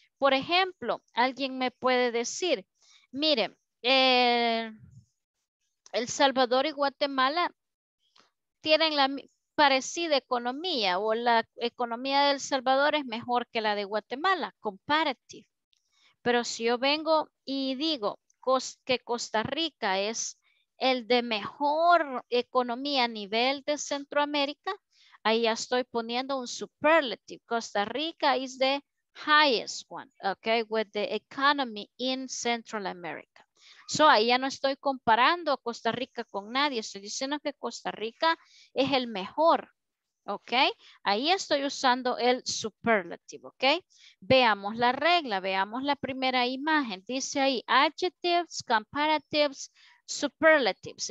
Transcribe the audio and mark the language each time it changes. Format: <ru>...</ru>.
<es>Por ejemplo, alguien me puede decir, miren, El Salvador y Guatemala tienen la parecida economía, o la economía de El Salvador es mejor que la de Guatemala, comparative. Pero si yo vengo y digo que Costa Rica es el de mejor economía a nivel de Centroamérica, ahí ya estoy poniendo un superlative.</es> <en>Costa Rica is the highest one, okay, with the economy in Central America.</en> <es>So ahí ya no estoy comparando a Costa Rica con nadie, estoy diciendo que Costa Rica es el mejor ¿Ok? Ahí estoy usando el superlativo, ¿ok? Veamos la regla, veamos la primera imagen. Dice ahí, adjectives, comparatives, superlatives.</es>